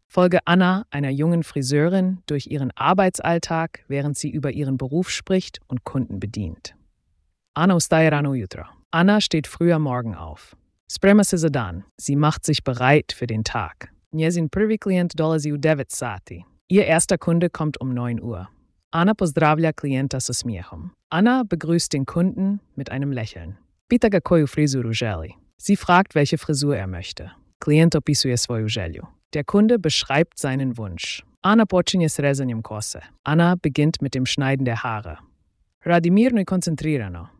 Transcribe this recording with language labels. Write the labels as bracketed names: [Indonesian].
[German] Folge Anna, einer jungen Friseurin, durch ihren Arbeitsalltag, während sie über ihren Beruf spricht und Kunden bedient. [Croatian] Anna ustaje rano ujutro. [German] Anna steht früh am Morgen auf. [Croatian] Sprema se za dan. [German] Sie macht sich bereit für den Tag. [Croatian] Njezin prvi klijent dolazi u 9 sati. [German] Ihr erster Kunde kommt um 9 Uhr. [Croatian] Anna pozdravlja klijenta sa smijehom. [German] Anna begrüßt den Kunden mit einem Lächeln. [Croatian] Pita ga koju frizuru želi. [German] Sie fragt, welche Frisur er möchte. [Croatian] Klijent opisuje svoju želju. [German] Der Kunde beschreibt seinen Wunsch. [Croatian] Anna počinje s rezanjem kose. [German] Anna beginnt mit dem Schneiden der Haare. [Croatian] Radi mirno i koncentrirano.